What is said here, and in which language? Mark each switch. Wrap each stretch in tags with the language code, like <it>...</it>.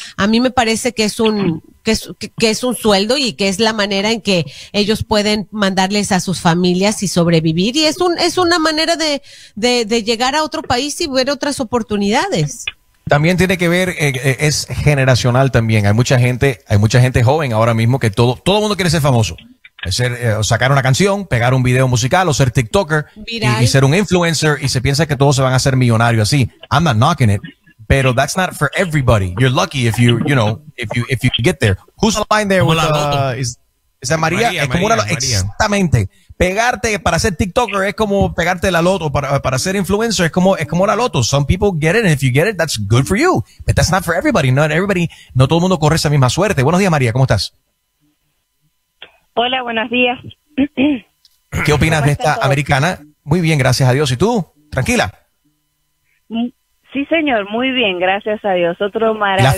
<es>A mí me parece que es un sueldo y que es la manera en que ellos pueden mandarles a sus familias y sobrevivir, y es una manera de llegar a otro país y ver otras oportunidades. También tiene que ver, es generacional también. Hay mucha gente joven ahora mismo que todo mundo quiere ser famoso. Sacar una canción, pegar un video musical o ser TikToker y ser un influencer, y se piensa que todos se van a hacer millonarios así.</es> <en>I'm not knocking it,</en> <es>pero</es> <en>that's not for everybody. You're lucky if you get there. Who's the line there? Is that María?</en> <es>Exactamente. Pegarte para ser TikToker es como pegarte la loto, para ser influencer es como la loto.</es> <en>Some people get it, and if you get it, that's good for you. But that's not for everybody.</en> <es>No todo el mundo corre esa misma suerte. Buenos días, María, ¿cómo estás? Hola, buenos días. ¿Qué opinas de esta americana? Muy bien, gracias a Dios. ¿Y tú? ¿Tranquila? Sí, señor, muy bien, gracias a Dios. Otro maravilloso</es>